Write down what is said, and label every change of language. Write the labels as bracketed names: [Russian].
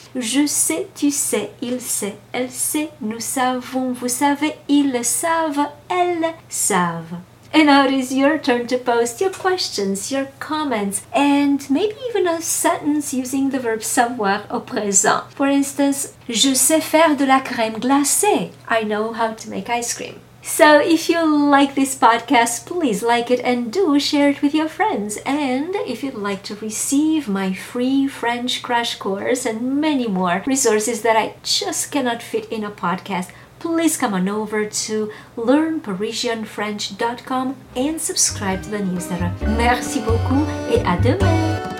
[French] Je sais, tu sais, il sait, elle sait, nous savons, vous savez, ils savent, elles savent. [English] And now it is your turn to post your questions, your comments, and maybe even a sentence using the verb [French] savoir au présent. [English] For instance, [French] je sais faire de la crème glacée. [English] I know how to make ice cream. So if you like this podcast, please like it and do share it with your friends. And if you'd like to receive my free French crash course and many more resources that I just cannot fit in a podcast, please come on over to learnparisianfrench.com and subscribe to the newsletter. [French] Merci beaucoup et à demain!